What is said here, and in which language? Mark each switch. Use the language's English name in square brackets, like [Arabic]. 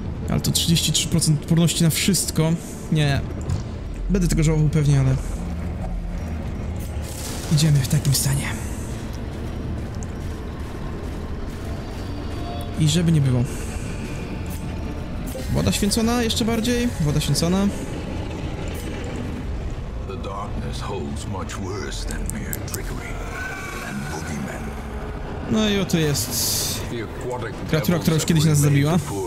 [Polish] Ale to 33% odporności na wszystko. Nie, będę tego żałował pewnie, ale idziemy w takim stanie. I żeby nie było. Woda święcona jeszcze bardziej. Woda święcona. [English] The darkness holds much worse than mere trickery and boogeymen. [Polish] No i oto jest kreatura, która już kiedyś nas zabiła.